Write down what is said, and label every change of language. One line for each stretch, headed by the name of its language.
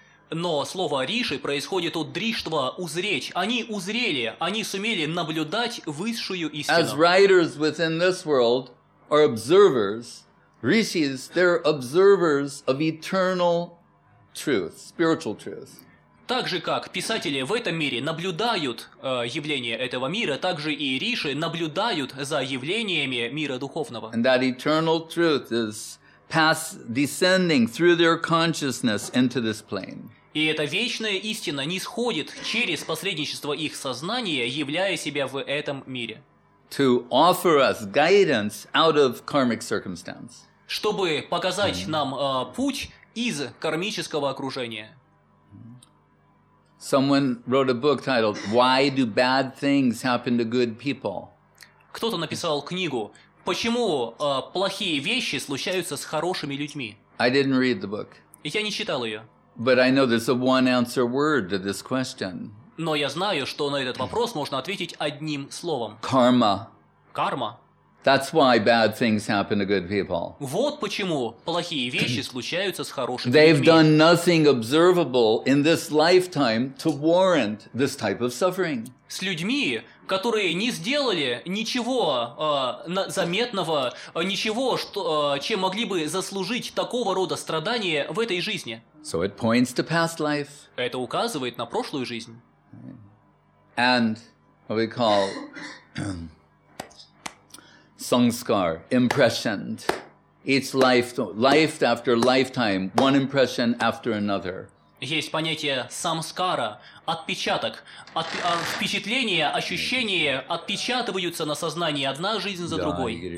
Russian: Но слово риши происходит от дриштва узреть. Они узрели, они сумели наблюдать высшую истину.
English: As writers within this world are observers, rishis, they're observers of eternal truth, spiritual truth.
Russian: Так же, как писатели в этом мире наблюдают явление этого мира, так же и риши наблюдают за явлениями мира духовного.
English: And that eternal truth is descending through their consciousness into this plane.
Russian: И эта вечная истина нисходит через посредничество их сознания, являя себя в этом мире.
English: To offer us guidance out of karmic circumstance.
Russian: Чтобы показать нам путь из кармического окружения.
English: Someone wrote a book titled "Why Do Bad Things Happen to Good People?"
Russian: Кто-то написал книгу «Почему плохие вещи случаются с хорошими людьми?»
English: I didn't read the book.
Russian: Я не читал ее.
English: But I know there's a one-answer word to this question.
Russian: Но я знаю, что на этот вопрос можно ответить одним словом.
English: Karma.
Russian: Карма.
English: That's why bad things happen to good people.
Russian: Вот почему плохие вещи случаются с хорошими
English: They've
Russian: людьми.
English: Done nothing observable in this lifetime to warrant this type of suffering.
Russian: С людьми, которые не сделали ничего заметного, ничего, что, чем могли бы заслужить такого рода страдания в этой жизни.
English: So it points to past life.
Russian: Это указывает на прошлую жизнь.
English: And what we call sangskar, impressioned. Each life after lifetime, one impression after another.
Russian: Есть понятие самскара, отпечаток. Впечатления, ощущения отпечатываются на сознании одна жизнь за другой.